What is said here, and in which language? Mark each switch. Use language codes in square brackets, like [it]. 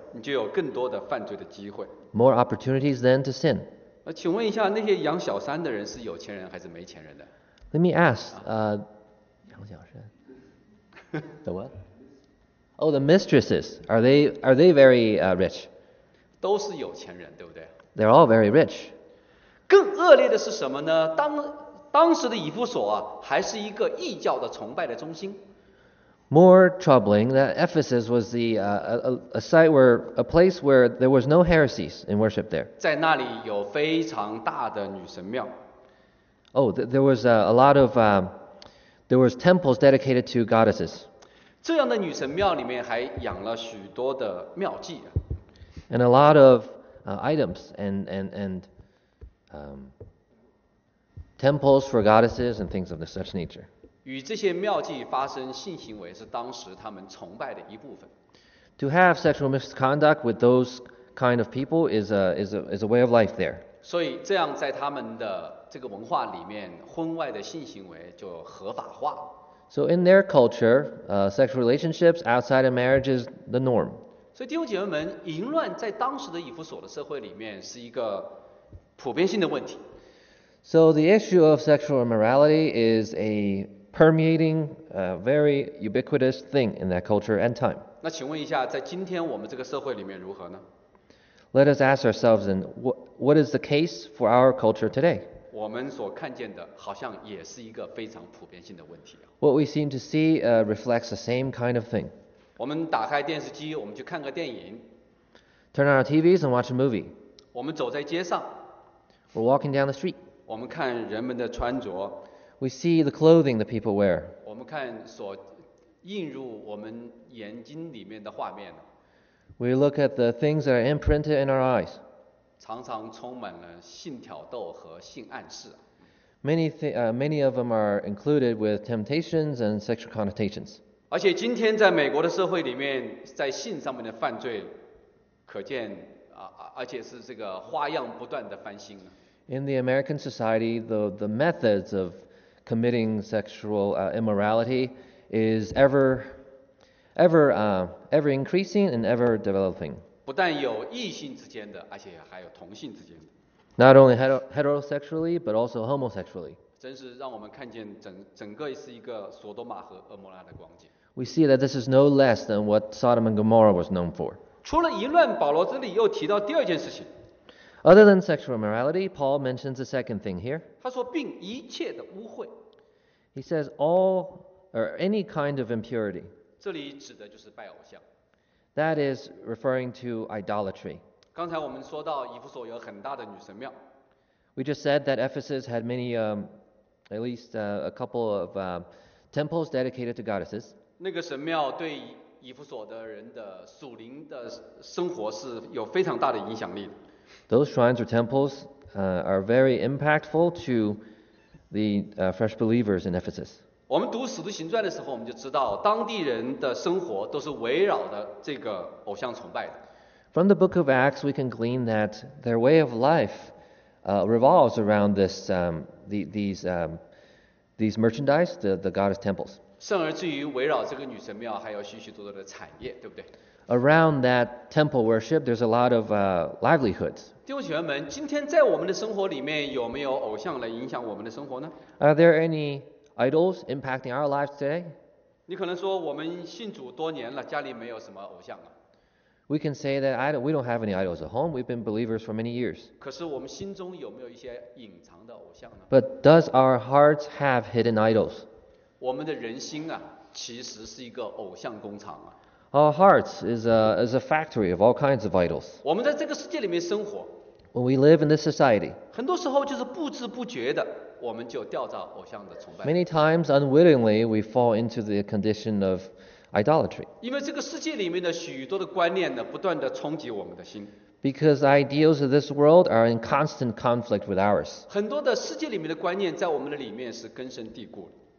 [zh] 你就有更多的犯罪的机会。 [en] More opportunities then to sin. [zh] 请问一下，那些养小三的人是有钱人还是没钱人的？ [en] Let me ask, [zh] 养小三 [en] the what? Oh, the mistresses, are they very rich? [zh] 都是有钱人，对不对？ [en] They're all very rich. [zh] 更恶劣的是什么呢？当时的以弗所啊，还是一个异教的崇拜的中心。 [en] More troubling that Ephesus was the a place where there was no heresies in worship there. [zh] 在那里有非常大的女神庙。 [en] Oh, there was a lot of temples dedicated to goddesses. [zh] 这样的女神庙里面还养了许多的庙妓、啊、 [en] and a lot of items and temples for goddesses and things of the such nature. [zh] 与这些庙妓发生性行为是当时他们崇拜的一部分。 [en] To have sexual misconduct with those kind of people is a way of life there. [zh] 所以这样在他们的这个文化里面，婚外的性行为就合法化。 [en] So in their culture, sexual relationships outside of marriage is the norm. [zh] 所以弟兄姐妹们，淫乱在当时的以弗所的社会里面是一个普遍性的问题。 [en] So the issue of sexual immorality is a permeating, very ubiquitous thing in that culture and time. [zh] 那请问一下，在今天我们这个社会里面如何呢？ [en] Let us ask ourselves, and what is the case for our culture today? [zh] 我们所看见的好像也是一个非常普遍性的问题、啊、 [en] What we seem to see reflects the same kind of thing. [zh] 我们打开电视机，我们去看个电影。 [en] Turn on our TVs and watch a movie. [zh] 我们走在街上。 [en] We're walking down the street. [zh] 我们看人们的穿着。 [en] We see the clothing that people wear. [zh] 我们看所映入我们眼睛里面的画面。 [en] We look at the things that are imprinted in our eyes. [zh] 常常充满了性挑逗和性暗示。 [en] Many of them are included with temptations and sexual connotations. [zh] 而且今天在美国的社会里面，在性上面的犯罪，可见而且是这个花样不断的翻新。 [en] In the American society, the methods of committing sexual immorality is ever increasing and ever developing. [zh] 不但有异性之间的，而且还有同性之间的。 [en] Not only heterosexually, but also homosexually. [zh] 真是让我们看见整个是一个索多玛和厄摩拉的光景。 [en] We see that this is no less than what Sodom and Gomorrah was known for. [zh] 除了淫乱，保罗这里又提到第二件事情。 [en] Other than sexual immorality, Paul mentions the second thing here. [zh] 他说并一切的污秽。 [en] He says all or any kind of impurity. [zh] 这里指的就是拜偶像。 [en] That is referring to idolatry. [zh] 刚才我们说到以弗所有很大的女神庙。 [en] We just said that Ephesus had many, at least a couple of temples dedicated to goddesses. [zh] 那个神庙对以弗所的人的属灵的生活是有非常大的影响力的。 [en] Those shrines or temples are very impactful to the fresh believers in Ephesus. [zh] 我们读《使徒行传》的时候，我们就知道当地人的生活都是围绕的这个偶像崇拜的。 [en] From the book of Acts, we can glean that their way of life revolves around this, these merchandise, the goddess temples. [zh] 甚而至于围绕这个女神庙，还有许许多多的产业，对不对 [en] ？Around that temple worship, there's a lot of livelihoods. [zh] 弟兄姐妹们，今天在我们的生活里面，有没有偶像来影响我们的生活呢 [en] ？Are there any idols impacting our lives today? [zh] 你可能说我们信主多年了，家里没有什么偶像了。 [en] We can say that we don't have any idols at home. We've been believers for many years. [zh] 可是我们心中有没有一些隐藏的偶像呢？ [en] But does our hearts have hidden idols? [zh] 我们的人心啊，其实是一个偶像工厂啊。 [en] Our hearts is a factory of all kinds of idols. [zh] 我们在这个世界里面生活。 [en] When we live in this society. [zh] 很多时候就是不知不觉的，我们就掉到偶像的崇拜。 [en] Many times unwittingly we fall into the condition of idolatry. [zh] 因为这个世界里面的许多的观念呢，不断的冲击我们的心。 [en] Because the ideals of this world are in constant conflict with ours. [zh] 很多的世界里面的观念在我们的里面是根深蒂固。